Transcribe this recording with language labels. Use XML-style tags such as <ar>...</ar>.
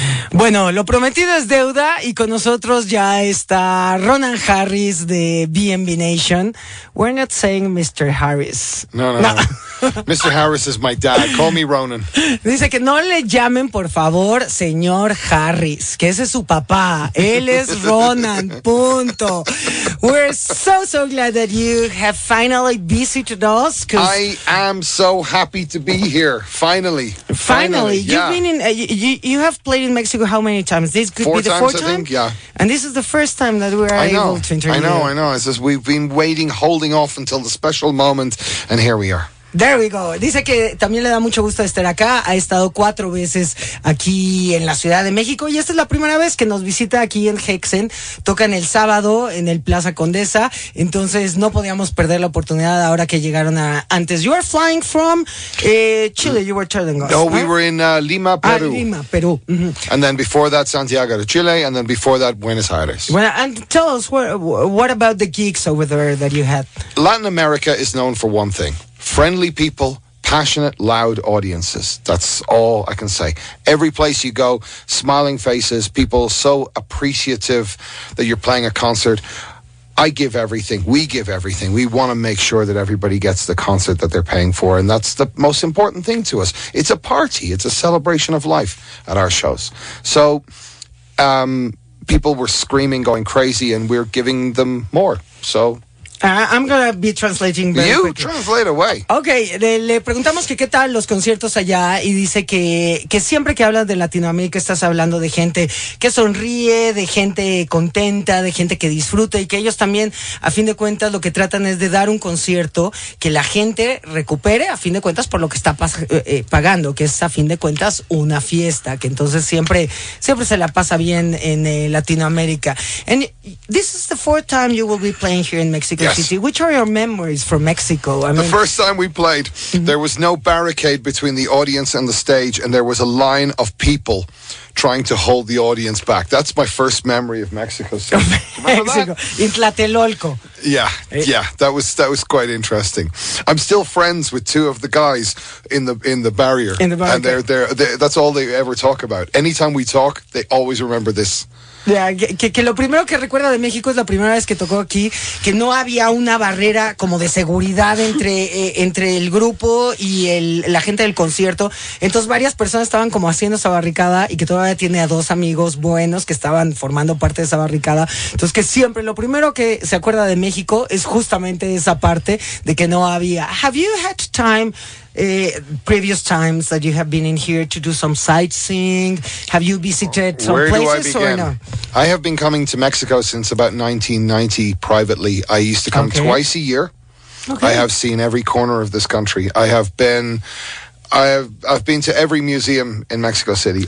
<es>Bueno, lo prometido es deuda y con nosotros ya está Ronan Harris de BNB Nation.</es> <en>We're not saying Mr. Harris. No. Mr. Harris is my dad. Call me Ronan.</en> <es>Dice que no le llamen, por favor, señor Harris, que ese es su papá. Él es Ronan, punto.</es> <en>We're so, so glad that you have finally visited us. I am so happy to be here, finally. Finally. Yeah. You've been in, you have played in Mexico how many times? This could four be the times, fourth time? I think, yeah. And this is the first time that we're able to interview. I know. It's just we've been waiting, holding off until the special moment, and here we are. There we go.</en> <es>Dice que también le da mucho gusto estar acá. Ha estado 4 veces aquí en la Ciudad de México y esta es la primera vez que nos visita aquí en Hexen. Tocan el sábado en el Plaza Condesa, entonces no podíamos perder la oportunidad ahora que llegaron a antes.</es> <en>You are flying from Chile. You were telling us. No, we were in Lima, Peru. Ah, Lima, Peru. Mm-hmm. And then before that, Santiago de Chile, and then before that, Buenos Aires. Well, and tell us what about the gigs over there that you had? Latin America is known for one thing. Friendly people, passionate, loud audiences. That's all I can say. Every place you go, smiling faces, people so appreciative that you're playing a concert. I give everything. We give everything. We want to make sure that everybody gets the concert that they're paying for. And that's the most important thing to us. It's a party. It's a celebration of life at our shows. So people were screaming, going crazy, and we're giving them more. So I'm gonna be translating. You translate away.</en> <es>Okay, le preguntamos que qué tal los conciertos allá y dice que siempre que hablas de Latinoamérica estás hablando de gente que sonríe, de gente contenta, de gente que disfruta y que ellos también, a fin de cuentas, lo que tratan es de dar un concierto que la gente recupere, a fin de cuentas, por lo que está pagando, que es, a fin de cuentas, una fiesta, que entonces siempre se la pasa bien en Latinoamérica.</es> <en>And this is the fourth time you will be playing here in Mexico. Yes. Which are your memories from Mexico? The first time we played, there was no barricade between the audience and the stage, and there was a line of people trying to hold the audience back. That's my first memory of Mexico. So, Mexico. In Tlatelolco. Yeah, yeah. That was quite interesting. I'm still friends with two of the guys in the barrier. In the barrier. And they're that's all they ever talk about. Anytime we talk, they always remember this.</en> <es>Que lo primero que recuerda de México es la primera vez que tocó aquí, que no había una barrera como de seguridad entre el grupo y la gente del concierto. Entonces varias personas estaban como haciendo esa barricada y que todavía tiene a dos amigos buenos que estaban formando parte de esa barricada. Entonces que siempre lo primero que se acuerda de México es justamente esa parte de que no había.</es> <en>Have you had time? Previous times that you have been in here to do some sightseeing, have you visited some Where places do I begin? Or no? I have been coming to Mexico since about 1990 privately. I used to come twice a year. Okay. I have seen every corner of this country. I've been to every museum in Mexico City.</en>